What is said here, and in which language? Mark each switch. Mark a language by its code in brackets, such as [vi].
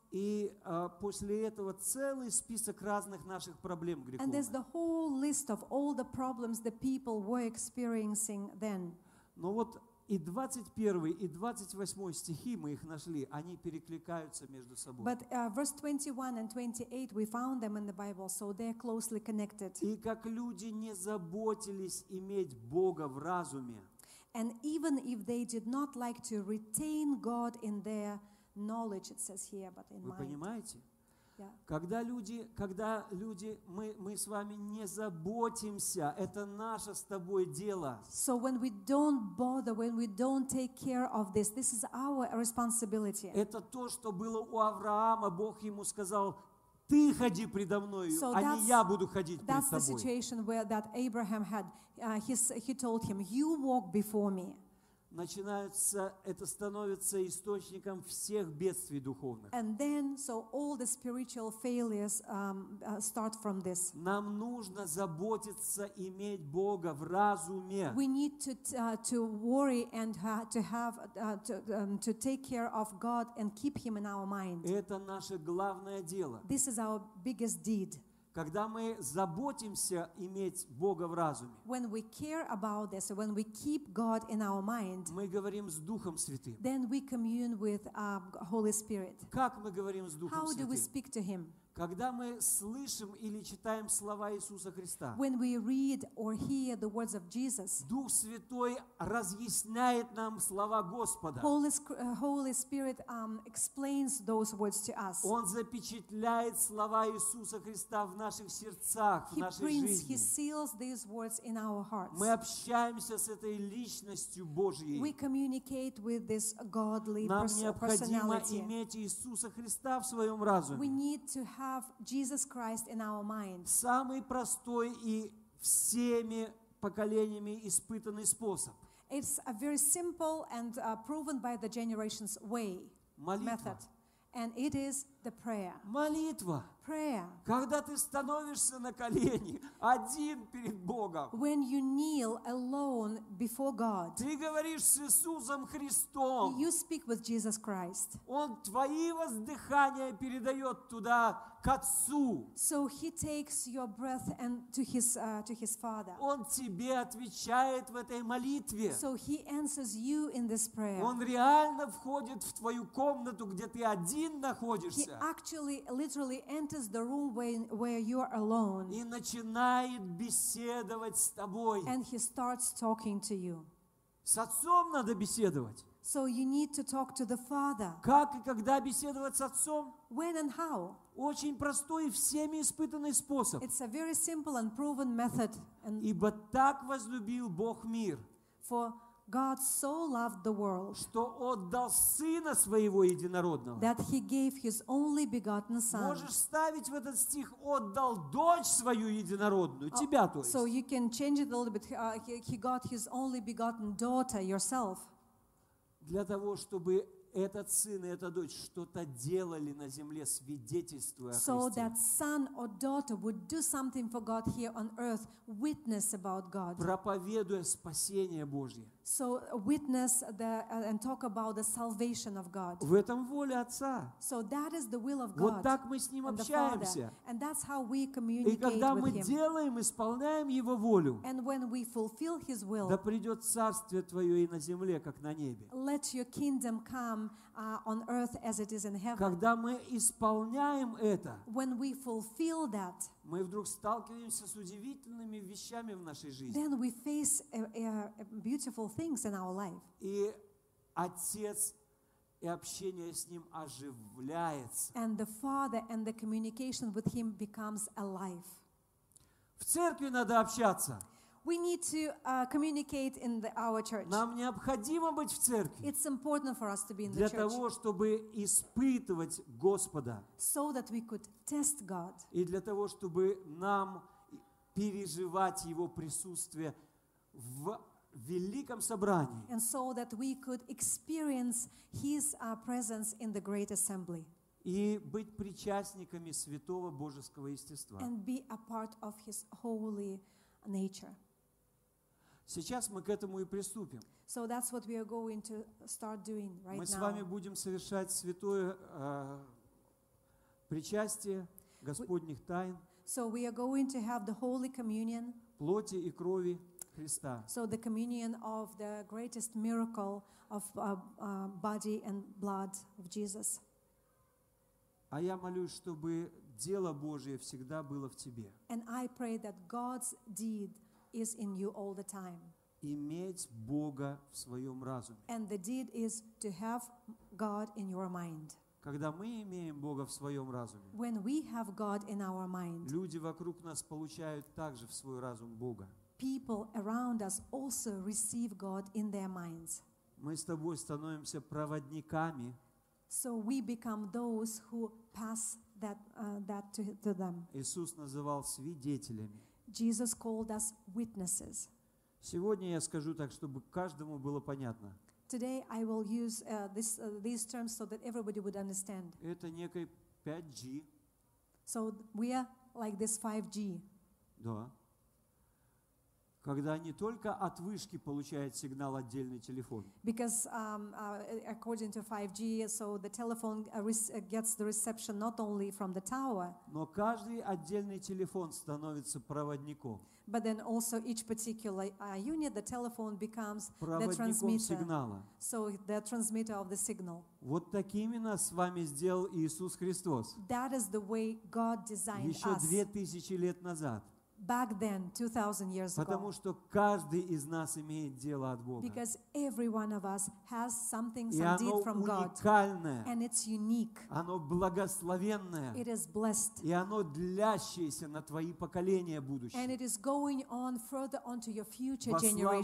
[ru] и после этого целый список разных наших проблем греховных. [en] And there's the whole list of all the problems the people were experiencing then. [ru] Но вот и 21 и 28 стихи мы их нашли, они перекликаются между собой. [en] But verse 21 and 28 we found them in the Bible, so they're closely connected. [ru] И как люди не заботились иметь Бога в разуме. [en] And even if they did not like to retain God in their knowledge, it says here, but in mind. [ru] Вы понимаете? [en] Yeah. [ru] Когда люди, мы с вами не заботимся, это наше с тобой дело. [en] So when we don't bother, when we don't take care of this, this is our responsibility. [ru] Это то, что было у Авраама, Бог ему сказал, ты ходи предо мною, [en] so [ru] а не я буду ходить пред тобой. [en] That's the situation where that Abraham had, he told him, you walk before me. [ru] Начинается, это становится источником всех бедствий духовных. [en] And then, so all the spiritual failures start from this. [ru] Нам нужно заботиться, иметь Бога в разуме. [en] We need to worry and to have to take care of God and keep Him in our mind. [ru] Это наше главное дело. [en] This is our biggest deed. [ru] когда мы заботимся иметь Бога в разуме, [en] when we care about this, when we keep God in our mind, [ru] мы говорим с Духом Святым. [en] Then we commune with Holy Spirit. [ru] Как мы говорим с Духом [en] How [ru] Святым? [en] Do we speak to him? [ru] Когда мы слышим или читаем слова Иисуса Христа, [en] when we read or hear the words of Jesus, [ru] Дух Святой разъясняет нам слова Господа. [en] Holy Spirit explains those words to us. [ru] Он запечатляет слова Иисуса Христа в наших сердцах, в нашей жизни. [en] He seals these words in our hearts. [ru] Мы общаемся с этой личностью Божьей. [en] We communicate with this godly [ru] Нам необходимо иметь Иисуса Христа в своем разуме. [en] We need to have Jesus Christ in our mind. [ru] Самый простой и всеми поколениями испытанный способ. [en] It's a very simple and proven by the generations way method. And it is the prayer. [ru] Молитва. [en] Prayer. [ru] Когда ты становишься на колени один перед Богом. [en] When you kneel alone before God. [ru] Ты говоришь с Иисусом Христом. [en] You speak with Jesus Christ. [ru] Он твои воздыхания передает туда к Отцу. [en] So he takes your breath and to his Father. [ru] Он тебе отвечает в этой молитве. [en] So he answers you in this prayer. [ru] Он реально входит в твою комнату, где ты один находишься. [en] He actually literally enters the room where you are alone. [ru] И начинает беседовать с тобой. [en] And he starts talking to you. [ru] С Отцом надо беседовать. [en] So you need to talk to the Father. [ru] Как и когда беседовать с Отцом? [en] When and how? [ru] Очень простой и всеми испытанный способ. [en] It's a very simple and proven method. And [ru] ибо так возлюбил Бог мир. [en] For God so loved the world, [ru] что отдал Сына Своего Единородного. [en] That he gave his only begotten Son. [ru] Можешь ставить в этот стих «отдал Дочь Свою Единородную», тебя, то есть. [en] So you can change it a little bit. He got his only begotten daughter, yourself. [ru] Для того, чтобы этот сын и эта дочь что-то делали на земле, свидетельствуя о Христе. [en] So that son or daughter would do something for God here on earth, witness about God. [ru] Проповедуя спасение Божье. [en] So witness and talk about the salvation of God. [ru] В этом воля Отца. [en] So that is the will of God. [ru] Вот так мы с ним общаемся. [en] And that's how we communicate with him. [ru] И когда мы делаем, исполняем его волю. [en] And when we fulfill his will. [ru] Да придет царствие твое и на земле, как на небе. [en] Let your kingdom come on earth as it is in heaven. [ru] Когда мы исполняем это. [en] When we fulfill that. [ru] Мы вдруг сталкиваемся с удивительными вещами в нашей жизни. [en] Then we face beautiful things in our life. [ru] И Отец и общение с Ним оживляется. [en] And the Father and the communication with Him becomes alive. [ru] В церкви надо общаться. [en] We need to communicate in our church. [ru] Нам необходимо быть в церкви. [en] It's important for us to be in the [ru] для [en] church. [ru] Для того, чтобы испытывать Господа. [en] So that we could test God. [ru] И для того, чтобы нам переживать Его присутствие в великом собрании. [en] And so that we could experience His presence in the great assembly. [ru] И быть причастниками святого божеского естества. [en] And be a part of His holy nature. [ru] Сейчас мы к этому и приступим. [en] So that's what we are going to start doing right [ru] мы С вами будем совершать святое причастие Господних тайн. [en] So we are going to have the holy communion, [ru] плоти и крови Христа. [en] So the communion of the greatest miracle of body and blood of Jesus. [ru] А я молюсь, чтобы дело Божие всегда было в тебе. [en] And I pray that God's deed is in you all the time. [ru] Иметь Бога в своем разуме. [en] And the deed is to have God in your mind. [ru] Когда мы имеем Бога в своем разуме, [en] when we have God in our mind, [ru] люди вокруг нас получают также в свой разум Бога. [en] People around us also receive God in their minds. [ru] Мы с тобой становимся проводниками. [en] So we become those who pass that to them. [ru] Иисус называл свидетелями. [en] Jesus called us witnesses. [ru] Сегодня я скажу так, чтобы каждому было понятно. [en] Today I will use these terms so that everybody would understand. [ru] Это некий 5G. [en] So we are like this 5G. [ru] Да. когда не только от вышки получает сигнал отдельный телефон. [en] Because according to 5G, so the telephone gets the reception not only from the tower. [ru] Но каждый отдельный телефон становится проводником. [en] But then also each particular unit, the telephone becomes the transmitter. [ru] Сигнала. [en] So the transmitter of the signal. [ru] Вот такими нас с вами сделал Иисус Христос. [en] That is the way God designed us. [ru] Еще 2000 лет назад. [en] Back then, 2000 years ago. [ru] Потому что каждый из нас имеет дело от Бога. [en] Because every one of us has something, some deed from God. [ru] И оно уникальное. [en] And it's unique. [ru] Оно благословенное. [en] It is blessed. [ru] И оно длящееся на твои поколения будущие. [en] And it is going on further onto your future generations.